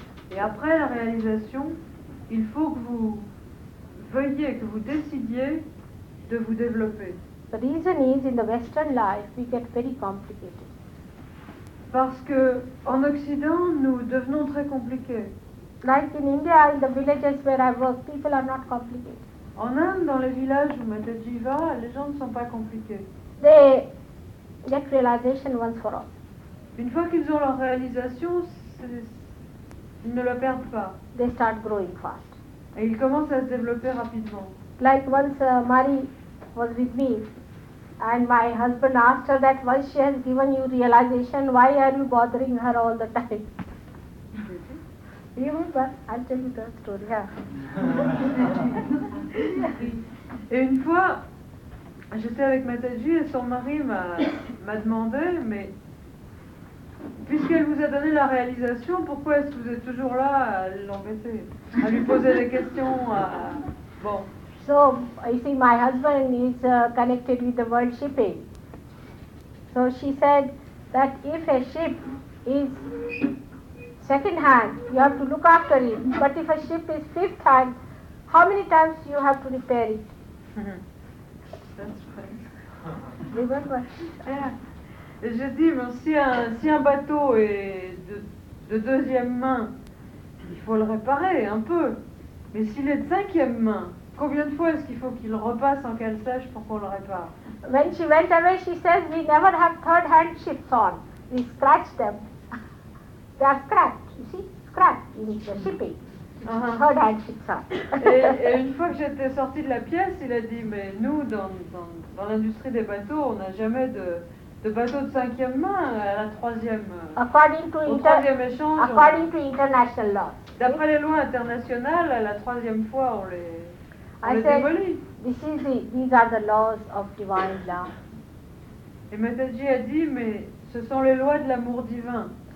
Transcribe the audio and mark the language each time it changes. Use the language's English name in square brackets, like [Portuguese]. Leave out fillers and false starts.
[French] Et après la réalisation, il faut que vous veuillez, que vous décidiez de vous développer. [English] The reason is, in the Western life, we get very complicated. [French] Parce que en Occident, nous devenons très compliqués. [English] Like in India, in the villages where I work, people are not complicated. [French] En Inde, dans les villages où Mataji va, les gens ne sont pas compliqués. [English] They get realization once for all. [French] Une fois qu'ils ont leur réalisation, ils ne la perdent pas. [English] They start growing fast. [French] Et ils commencent à se développer rapidement. [English] Like once Marie was with me, and my husband asked her that once she has given you realization, why are you bothering her all the time? You remember? I'll tell you the story. [French] Et une fois, j'étais avec Mataji et son mari m'a demandé, mais puisqu'elle vous a donné la réalisation, pourquoi est-ce que vous êtes toujours là à l'embêter, à lui poser des questions à... Bon. [English] So, you see, my husband is connected with the world shipping. So she said that if a ship is second hand, you have to look after it. But if a ship is fifth hand, how many times you have to repair it? That's funny. Remember? [French] Yeah. Je dis, mais si un bateau est de deuxième main, il faut le réparer un peu. Mais s'il est de cinquième main, combien de fois est-ce qu'il faut qu'il repasse en cale sèche pour qu'on le répare? [English] When she went away, she says we never have third hand ships on. We scratch them. They are scratched. You see, scratched in the shipping. Third hand ships on. [French] Et une fois que j'étais sortie de la pièce, il a dit mais nous dans l'industrie des bateaux, on n'a jamais de bateau de cinquième main à la troisième. [English] According to international law. [French] D'après les lois internationales, à la troisième fois on les [English] I said, these are the laws of divine love. [French] Et Mataji a dit, mais ce sont les lois de l'amour divin.